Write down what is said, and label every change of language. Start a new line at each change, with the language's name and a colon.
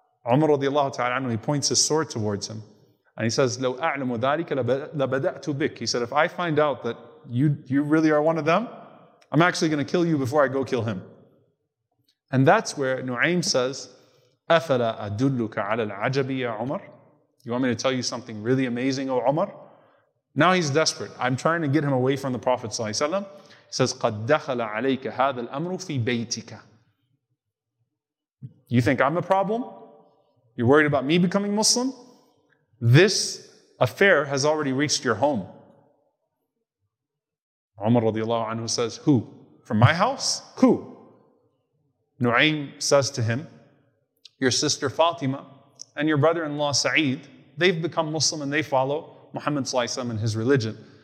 English: Umar radiallahu ta'ala anhu, he points his sword towards him. And he says,
Arabic: لَوْ أَعْلَمُ ذَلِكَ لَبَدَأْتُ بِكَ.
English: He said, if I find out that you really are one of them, I'm actually going to kill you before I go kill him. And that's where Nu'aym says,
Arabic: أَفَلَا أَدُلُّكَ عَلَى الْعَجَبِ يَا Umar.
English: You want me to tell you something really amazing, O Umar? Now he's desperate. I'm trying to get him away from the Prophet ﷺ. He says,
Arabic: قَدْ دَخَلَ عَلَيْكَ هَذَا الْأَمْرُ فِي بَيْتِكَ.
English: You think I'm a problem? You're worried about me becoming Muslim? This affair has already reached your home. Umar radiallahu anhu says, who? From my house? Who? Nu'aym says to him, your sister Fatima and your brother-in-law Sa'id, they've become Muslim and they follow Muhammad sallallahu alayhi wa sallam and his religion.